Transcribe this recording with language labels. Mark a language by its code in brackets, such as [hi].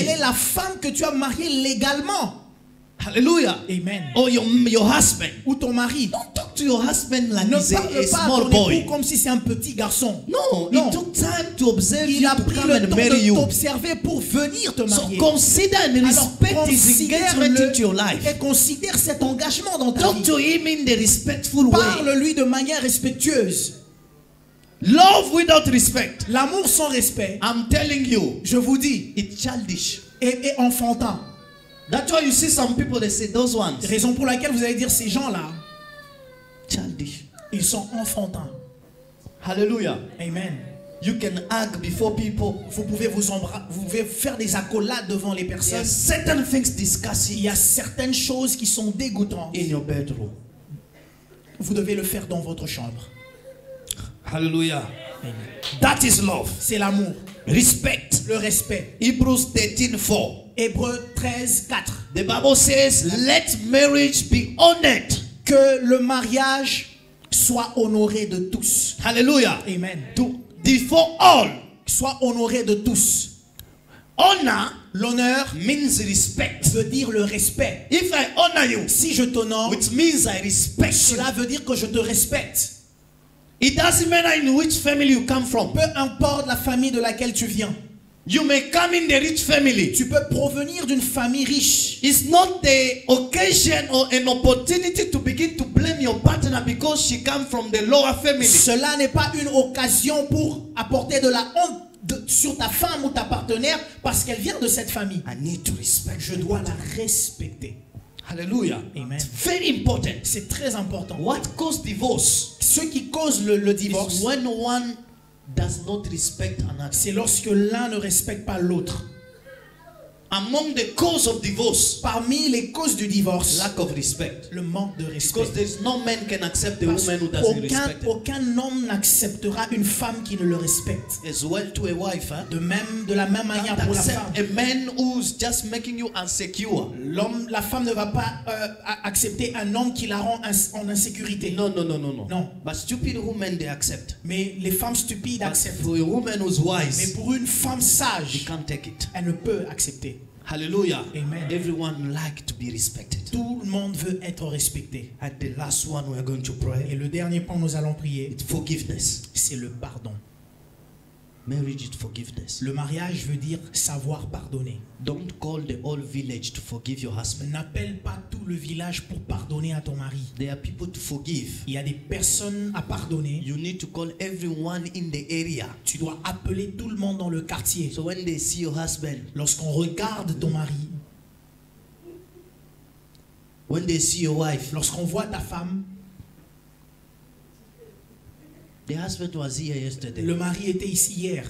[fr] Elle est la femme que tu as mariée légalement. [en] Hallelujah. Amen. Or your husband. [fr] Ou ton mari. [en] Don't talk to your husband like [fr] ne [en] he's a small boy. [fr] Ne parle pas à ton époux comme si c'est un petit garçon. [en] No, it took time to observe [fr] il [en] you [fr] a [en] to [fr] pris [en] come [fr] le temps de t'observer pour venir te marier. [en] So consider and respect his engagement into your life. [fr] Et considère cet engagement dans ta [en] talk [fr] vie. [en] Talk to him in the respectful way. [fr] Parle-lui de manière respectueuse. [en] Love without respect. [fr] L'amour sans respect. [en] I'm telling you. [fr] Je vous dis. [en] It's childish. [fr] Et enfantin. [en] That's why you see some people they say those ones. [fr] Raison pour laquelle vous allez dire ces gens-là. [en] Childish. [fr] Ils sont enfantins. [en] Hallelujah. Amen. You can hug before people. [fr] Vous pouvez faire des accolades devant les personnes. [en] There are certain things disgusting. [fr] Il y a certaines choses qui sont dégoûtantes. [en] In your bedroom. [fr] Vous devez le faire dans votre chambre. [en] Hallelujah. Amen. That is love. [fr] C'est l'amour. [en] Respect. [fr] Le respect. [en] Hebrews 13:4. [fr] Hébreux 13:4. [en] The Bible says, let marriage be honored. [fr] Que le mariage soit honoré de tous. [en] Hallelujah. Amen. Before all, [fr] soit honoré de tous. [en] Honor, [fr] l'honneur [en] means respect. [fr] Veut dire le respect. [en] If I honor you, [fr] si je t'honore, [en] which means I respect. [fr] Cela veut dire que je te respecte. [en] It doesn't matter in which family you come from. [fr] Peu importe la famille de laquelle tu viens. [en] You may come in the rich family. [fr] Tu peux provenir d'une famille riche. [en] It's not the occasion or an opportunity to begin to blame your partner because she comes from the lower family. [fr] Cela n'est pas une occasion pour apporter de la honte sur ta femme ou ta partenaire parce qu'elle vient de cette famille. [en] I need to respect. [fr] Je dois la respecter. [en] Hallelujah. Amen. It's very important. [fr] C'est très important. [en] What causes divorce? [fr] Ce qui cause le divorce. [en] Is when one does not respect another. [fr] C'est lorsque l'un ne respecte pas l'autre. [en] Among the causes of divorce, [fr] parmi les causes du divorce, [en] lack of respect. [fr] Le manque de respect. [en] Because there's no man can accept a woman who doesn't respect. [fr] Aucun homme n'acceptera une femme qui ne le respecte. [en] As well to a wife, hein? [fr] De la même manière pour la femme. [en] A man who's just making you insecure. [fr] La femme ne va pas accepter un homme qui la rend en insécurité. [en] Non. But stupid women they accept. [fr] Mais les femmes stupides acceptent. [en] For a woman who's wise, [fr] mais pour une femme sage, [en] she can't take it. [fr] Elle ne peut accepter. [en] Hallelujah. Amen. Everyone like to be respected. [fr] Tout le monde veut être respecté. [en] At the last one we are going to pray. [fr] Et le dernier point nous allons prier. [en] It's forgiveness. [fr] C'est le pardon. [en] Marriage is forgiveness. [fr] Le mariage veut dire savoir pardonner. [en] Don't call the whole village to forgive your husband. [fr] N'appelle pas tout le village pour pardonner à ton mari. [en] There are people to forgive. [fr] Il y a des personnes à pardonner. [en] You need to call everyone in the area. [fr] Tu dois appeler tout le monde dans le quartier. [en] So when they see your husband, [fr] lorsqu'on regarde ton mari, [en] when they see your wife, [fr] lorsqu'on voit ta femme. [en] The husband was here yesterday. [fr] Le mari était ici hier.